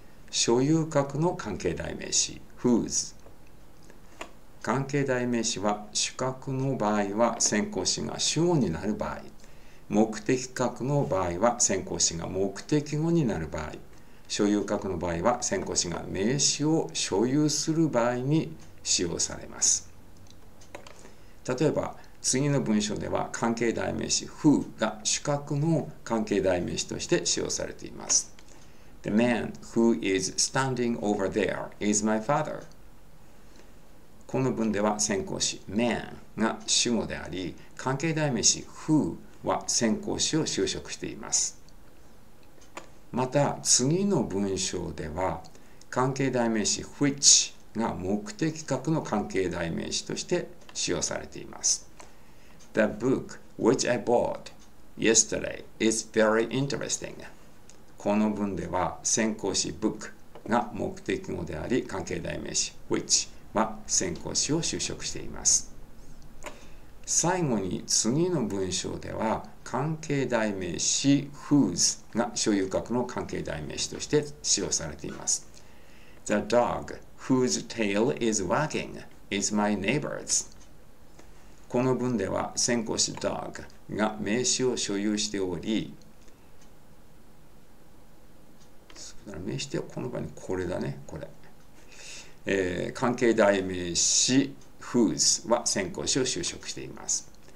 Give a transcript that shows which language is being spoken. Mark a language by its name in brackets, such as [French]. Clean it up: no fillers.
[Japanese] 所有格の関係代名詞 whose。関係代名詞は主格の場合は先行詞が主語になる場合、目的格の場合は先行詞が目的語になる場合、所有格の場合は先行詞が名詞を所有する場合に使用されます。例えば次の文章では関係代名詞 who が主格の関係代名詞として使用されています。 [English] The man who is standing over there is my father。 [Japanese] この文では先行詞 man が主語であり、関係代名詞 who は先行詞を修飾しています。また次の文章では関係代名詞 which が目的格の関係代名詞として使用されています。 [English] The book which I bought yesterday is very interesting。 [Japanese] この文では先行詞 book が目的語であり、関係代名詞 which は先行詞を修飾しています。最後に次の文章では関係代名詞 whose が所有格の関係代名詞として使用されています。 [English] The dog whose tail is wagging is my neighbor's。 [Japanese] この文では先行詞 dog が名詞を所有しており、名詞ではこの場合にこれだね、これ、関係代名詞 whose は先行詞を修飾しています。